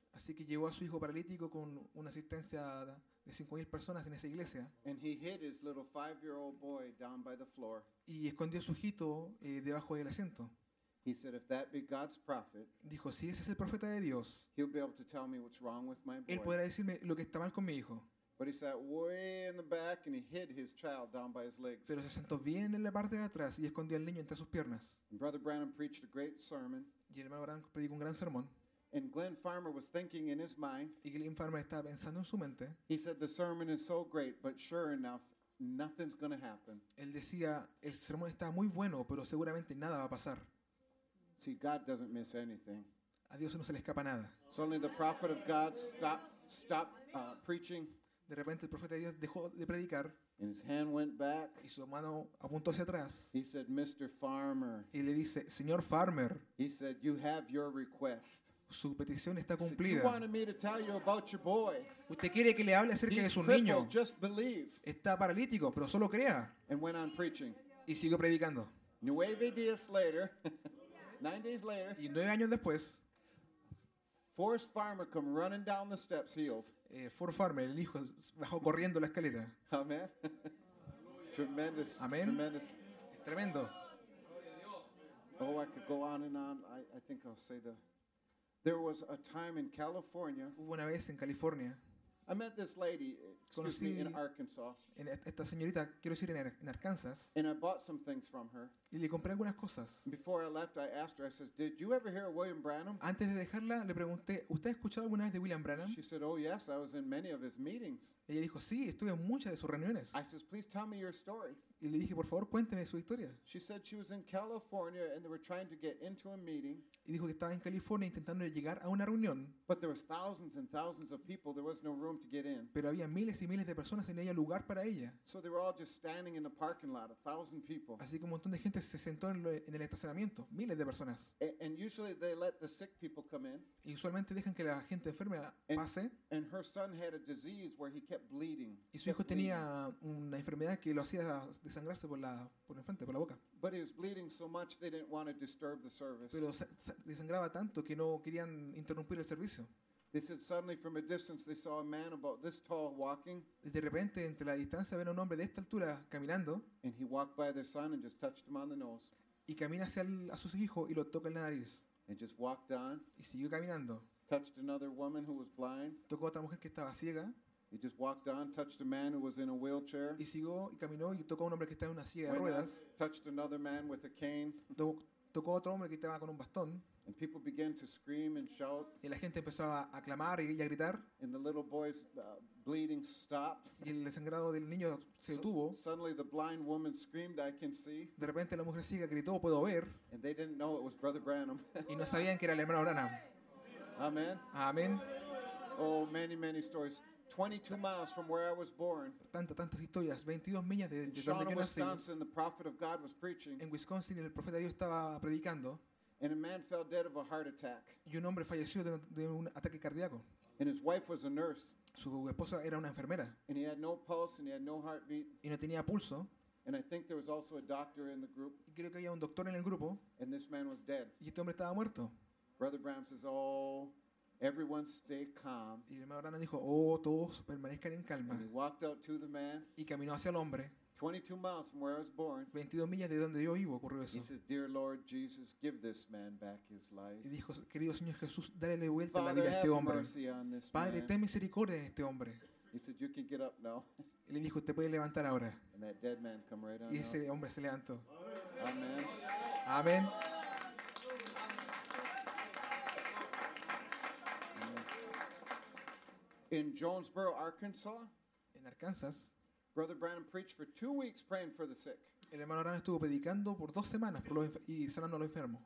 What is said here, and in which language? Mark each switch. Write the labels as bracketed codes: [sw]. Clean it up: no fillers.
[es] Así que llevó a su hijo paralítico con una asistencia de 5,000 personas en esa iglesia. [en] And he hid his little 5-year-old boy down by the floor. [es] Y escondió a su hijito debajo del asiento. [en] He said, "If that be God's prophet," [es] dijo, si ese es el profeta de Dios, [en] he'll be able to tell me what's wrong with my boy. [es] Él podrá decirme lo que está mal con mi hijo. [en] But he sat way in the back and he hid his child down by his legs. [es] Pero se sentó bien en la parte de atrás y escondió al niño entre sus piernas. [en] And Brother Branham preached a great sermon. [es] Y el hermano Branham predicó un gran sermón. [en] And Glenn Farmer was thinking in his mind. [es] Y Glenn Farmer estaba pensando en su mente. [en] He said, "The sermon is so great, but sure enough, nothing's going to happen." [es] Él decía, el sermón está muy bueno, pero seguramente nada va a pasar. [en] See, God doesn't miss anything. [es] A Dios no se le escapa nada. [en] Suddenly the prophet of God stopped preaching. [es] De repente el profeta de Dios dejó de predicar. [en] And his hand went back. [es] Y su mano apuntó hacia atrás. [en] He said, "Mr. Farmer." [es] Y le dice, "Señor Farmer." [en] He said, "You have your request." [es] Su petición está cumplida. [en] He said, "You wanted me to tell you about your boy." [es] Usted quiere que le hable acerca [en] He's [es] de su [en] crippled, [es] niño. [en] Just believe. [es] Está paralítico, pero solo crea. [en] And went on preaching. [es] Y siguió predicando. [en] 9 days later. 9 days later, [es] y 9 años después, [en] Forrest Farmer come running down the steps healed. [es] Forrest Farmer, el hijo, bajó corriendo la escalera. [en] Amen. Tremendous. [es] Amen. [en] Tremendous. [es] Es tremendo. [en] Oh, I could go on and on. I think I'll say the. There was a time in California. [es] Hubo una vez en California. [en] I met this lady, excuse me, in Arkansas. [es] En esta señorita, quiero decir, en Arkansas. [en] And I bought some things from her. [es] Y le compré algunas cosas. [en] Before I left, I asked her, I said, "Did you ever hear of William Branham?" [es] Antes de dejarla, le pregunté, ¿usted ha escuchado alguna vez de William Branham? [en] She said, "Oh, yes, I was in many of his meetings." [es] Ella dijo, sí, estuve en muchas de sus reuniones. [en] I said, "Please tell me your story." [es] Y le dije, por favor, cuénteme su historia. [en] She said she was in California and they were trying to get into a meeting. [es] Y dijo que estaba en California intentando llegar a una reunión. [en] But there were thousands and thousands of people. There was no room to get in. [es] Pero había miles y miles de personas y no había lugar para ella. [en] So they were all just standing in the parking lot, 1,000 people. [es] Así que un montón de gente se sentó en el estacionamiento, miles de personas. [en] And usually they let the sick people come in. [es] Y usualmente dejan que la gente enferma pase. [en] And her son had a disease where he kept bleeding. [es] Y su hijo tenía una enfermedad que lo hacía de sangrarse por la frente, por la boca. [en] But he was bleeding so much they didn't want to disturb the service. [es] Pero le sangraba tanto que no querían interrumpir el servicio. [en] They said suddenly from a distance they saw a man about this tall walking. [es] De repente entre la distancia ven un hombre de esta altura caminando. [en] And he walked by their son and just touched him on the nose. [es] Y camina hacia a su hijo y lo toca en la nariz. [en] And just walked on. [es] Y siguió caminando. [en] touched another woman who was blind. [es] Tocó a otra mujer que estaba ciega. [en] He just walked on, touched a man who was in a wheelchair. [es] Y siguió y caminó y tocó a un hombre que estaba en una silla de ruedas. [en] Touched another man with a cane. [es] Tocó a otro hombre que estaba con un bastón. [en] And people began to scream and shout. [es] Y la gente empezó a clamar y a gritar. [en] And the little boy's bleeding stopped. [es] Y el sangrado del niño se detuvo. [en] Suddenly the blind woman screamed, "I can see." [es] De repente la mujer ciega gritó, "Puedo ver." [en] And they didn't know it was Brother Branham. [es] Y no sabían que era el hermano Branham. [en] Amen. [es] Amen. [en] Oh, many, many stories. 22 miles from where I was born. [es] Tantas historias. 22 millas de donde yo nací. [en] Wisconsin, the prophet of God was preaching. [es] En Wisconsin, el profeta de Dios estaba predicando. [en] And a man fell dead of a heart attack. [es] Y un hombre falleció de un ataque cardíaco. [en] And his wife was a nurse. [es] Su esposa era una enfermera. [en] And he had no pulse and he had no heartbeat. [es] Y no tenía pulso. [en] And I think there was also a doctor in the group. [es] Y creo que había un doctor en el grupo. [en] And this man was dead. [es] Y este hombre estaba muerto. [en] Brother Bram says, "Oh, everyone stay calm." [es] Y el hermano Branham dijo, "Oh, todos permanezcan en calma." [en] And he walked out to the man. [es] Y caminó hacia el hombre. [en] 22 miles from where I was born. [es] 22 millas de donde yo vivo ocurrió eso. [en] He says, "Dear Lord Jesus, give this man back his life." [es] Y dijo, "Querido Señor Jesús, dale de vuelta la vida a este hombre." Padre, ten misericordia en este hombre. [en] He said, "You can get up now." [es] Y le dijo, "Te puedes levantar ahora." [en] And that dead man come right on. [es] Y ese hombre se levantó. [en] Amen. [es] Amen. [en] In Jonesboro, Arkansas. [es] En Arkansas. [en] Brother Branham preached for 2 weeks praying for the sick. [es] El hermano Branham estuvo predicando por 2 semanas por y sanando a los enfermos.